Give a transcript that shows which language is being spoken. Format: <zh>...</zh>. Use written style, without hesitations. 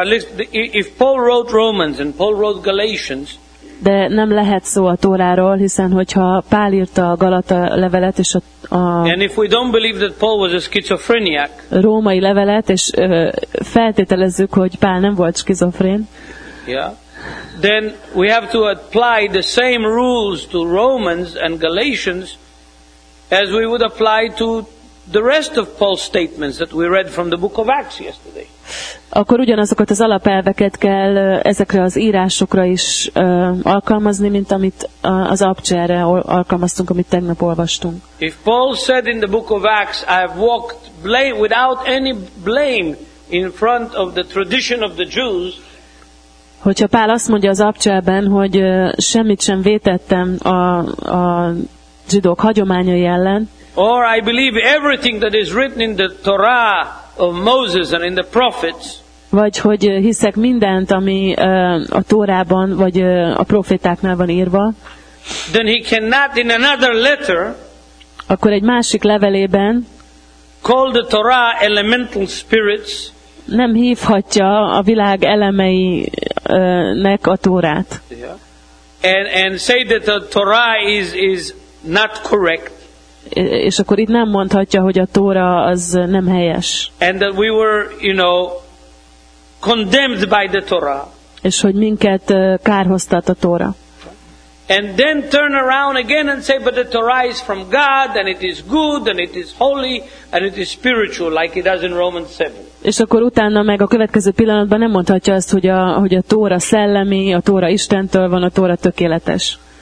<en>At least if Paul wrote Romans and Paul wrote Galatians.</en> <hu>De nem lehet szó a Tóráról, hiszen hogyha Pál írta a Galata levelet és a</hu> <en>and if we don't believe that Paul was a schizophrenic,</en> <hu>római levelet, és feltételezzük, hogy Pál nem volt skizofrén.</hu> <en>Yeah. Then we have to apply the same rules to Romans and Galatians as we would apply to the rest of Paul's statements that we read from the book of Acts yesterday.</en> <hu>Akkor ugyanazokat az alapelveket kell ezekre az írásokra is alkalmazni, mint amit az abcsere alkalmaztunk, amit tegnap olvastunk.</hu> <en>If Paul said in the book of Acts, I have walked blame, without any blame in front of the tradition of the Jews,</en> <hu>hogyha Pál azt mondja az abcserben, hogy semmit sem vétettem a zsidók hagyományai ellen,</hu> <en>or I believe everything that is written in the Torah of Moses and in the prophets.</en> <hu>Vagy hogy hiszek mindent, ami a Tórában vagy a profétáknál van írva.</hu> <en>Then he cannot in another letter.</en> <hu>Akkor egy másik levelében.</hu> <en>Call the Torah elemental spirits.</en> <hu>Nem hívhatja a világ elemeinek a Tórát.</hu> <en>Yeah. And say that the Torah is not correct.</en> <hu>És akkor itt nem mondhatja, hogy a Tóra az nem helyes.</hu> <en>And that we were, you know, condemned by the Torah.</en> <hu>És hogy minket kárhoztat a Tóra.</hu> <en>And then turn around again and say, but the Torah is from God, and it is good, and it is holy, and it is spiritual, like it does in Romans 7.</en> <hu>És akkor utána meg a következő pillanatban nem mondhatja azt, hogy a Tóra szellemi, a Tóra Istentől van, a Tóra tökéletes.</hu>